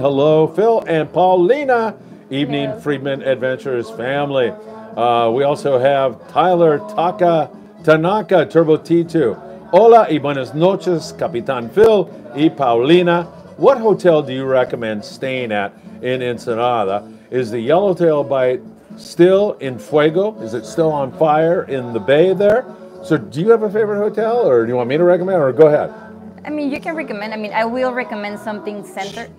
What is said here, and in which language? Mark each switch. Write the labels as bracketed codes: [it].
[en] Hello, Phil and Paulina. Evening, hello. Friedman Adventures family. We also have Tyler Taka Tanaka Turbo T2. [es] Hola y buenas noches, Capitán Phil y Paulina. [en] What hotel do you recommend staying at in Ensenada? Is the yellowtail bite still in fuego? Is it still on fire in the bay there? So do you have a favorite hotel, or do you want me to recommend, or go ahead? I mean, you can recommend. I mean, I will recommend something center.